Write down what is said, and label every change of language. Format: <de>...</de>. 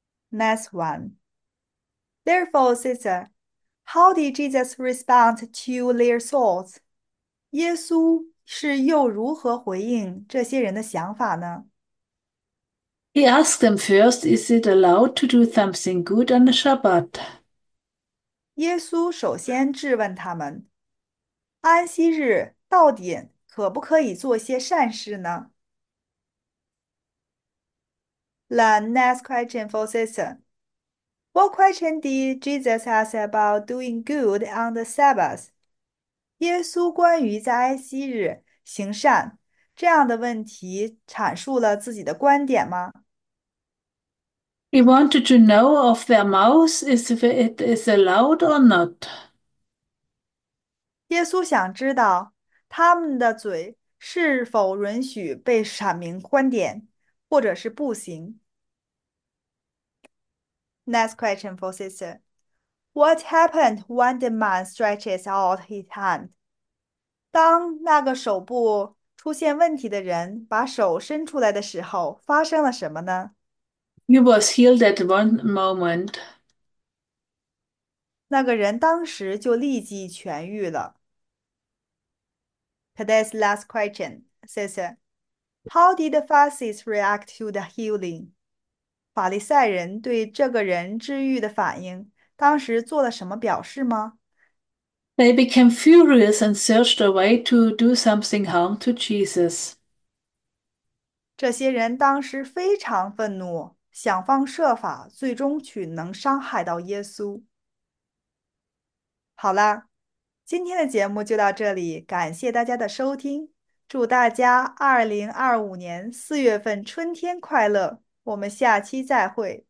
<en>Next one. Therefore, sister, how did Jesus respond to their thoughts?</en> <zh>耶稣是又如何回应这些人的想法呢？</zh> <en>He asked them first, is it allowed to do something good on the Shabbat?</en> <zh>耶稣首先质问他们，安息日到底可不可以做些善事呢？</zh> <en>The next question for sister. What question did Jesus ask about doing good on the Sabbath?</en> <zh>耶稣关于在安息日行善这样的问题阐述了自己的观点吗？</zh> <en>He wanted to know of their mouths if it is allowed or not.</en> <zh>耶稣想知道他们的嘴是否允许被阐明观点，或者是不行？</zh> <en>Next question for sister. What happened when the man stretches out his hand?</en> <zh>当那个手部出现问题的人把手伸出来的时候，发生了什么呢？</zh> <en>He was healed at one moment.</en> <zh>那个人当时就立即痊愈了。</zh> <en>Today's last question, sister. How did the Pharisees react to the healing?</en> <zh>法利赛人对这个人治愈的反应，当时做了什么表示吗？</zh> <en>They became furious and searched a way to do something harm to Jesus.</en> <zh>这些人当时非常愤怒，想方设法，最终却能伤害到耶稣。好啦。今天的节目就到这里，感谢大家的收听，祝大家2025年4月份春天快乐，我们下期再会。</zh>